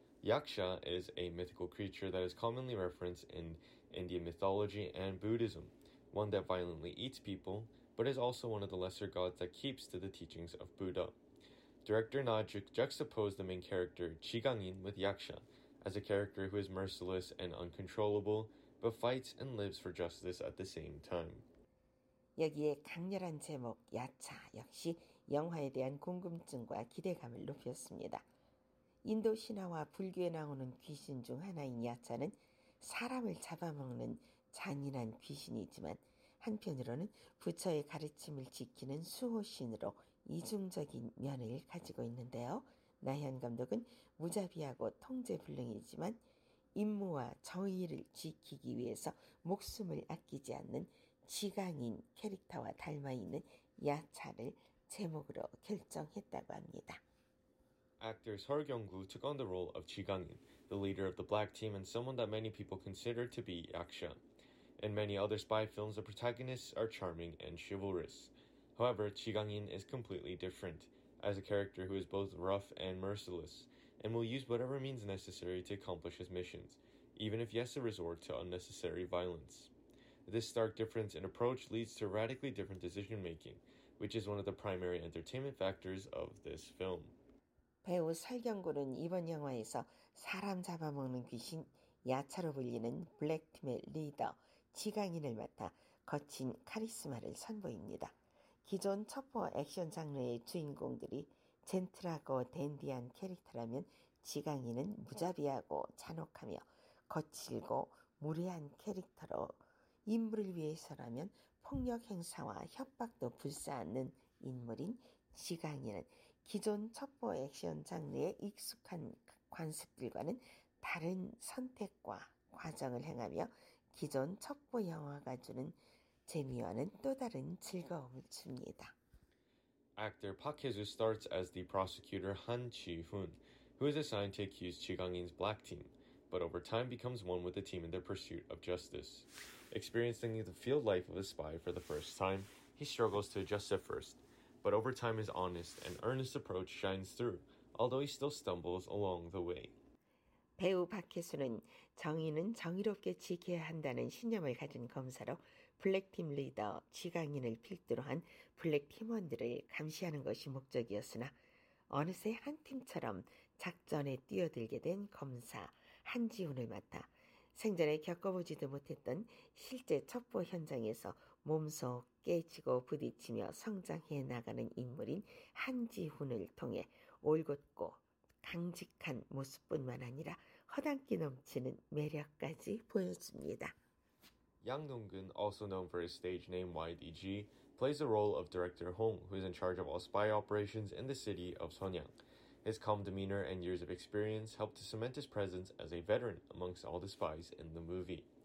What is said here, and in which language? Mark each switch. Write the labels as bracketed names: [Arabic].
[English] Yaksha is a mythical creature that is commonly referenced in Indian mythology and Buddhism, one that violently eats people, but is also one of the lesser gods that keeps to the teachings of Buddha. Director Na juxtaposed the main character, Jigangin, with Yaksha, as a character who is merciless and uncontrollable, but fights and lives for justice at the same time. [Korean] 여기에 강렬한 제목, 야차, 역시 영화에 대한 궁금증과 기대감을 높였습니다. 인도 신화와 불교에 나오는 귀신 중 하나인 야차는 사람을 잡아먹는 잔인한 귀신이지만 한편으로는 부처의 가르침을 지키는 수호신으로 이중적인 면을 가지고 있는데요. 나현 감독은 무자비하고 통제불능이지만 임무와 정의를 지키기 위해서 목숨을 아끼지 않는 지강인 캐릭터와 닮아있는 야차를 제목으로 결정했다고 합니다. [English] Actor Seol Kyung-gu took on the role of Jigangin, the leader of the Black Team and someone that many people consider to be Yaksha. In many other spy films, the protagonists are charming and chivalrous. However, Jigangin is completely different, as a character who is both rough and merciless, and will use whatever means necessary to accomplish his missions, even if he has to resort to unnecessary violence. This stark difference in approach leads to radically different decision-making, which is one of the primary entertainment factors of this film. [Korean] 배우 설경구는 이번 영화에서 사람 잡아먹는 귀신 야차로 불리는 블랙팀의 리더 지강인을 맡아 거친 카리스마를 선보입니다. 기존 첩보 액션 장르의 주인공들이 젠틀하고 댄디한 캐릭터라면 지강인은 무자비하고 잔혹하며 거칠고 무례한 캐릭터로 인물을 위해서라면 폭력 행사와 협박도 불사하는 인물인 지강인은 기존 첩보 액션 장르의 익숙한 관습들과는 다른 선택과 과정을 행하며 기존 첩보 영화가 주는 재미와는 또 다른 즐거움을 줍니다. [English] Actor Park Hae-joo starts as the prosecutor Han Chi-hoon, who is assigned to accuse Jigang-in's black team, but over time becomes one with the team in their pursuit of justice. Experiencing the field life of a spy for the first time, he struggles to adjust at first, but over time his honest and earnest approach shines through, although he still stumbles along the way. [Korean] 배우 박혜수는 정의는 정의롭게 지켜야 한다는 신념을 가진 검사로 블랙팀 리더 지강인을 필두로 한 블랙팀원들을 감시하는 것이 목적이었으나 어느새 한 팀처럼 작전에 뛰어들게 된 검사 한지훈을 맡아 생전에 겪어보지도 못했던 실제 첩보 현장에서 몸소 깨지고 부딪히며 성장해 나가는 인물인 한지훈을 통해 올곧고 강직한 모습뿐만 아니라 허당기 넘치는 매력까지 보여줍니다. [English] Yang Dong-gun, also known for his stage name YDG, plays the role of Director Hong, who is in charge of all spy operations in the city of Sonyang. His calm demeanor and years of experience helped to cement his presence as a veteran amongst all the spies in the movie.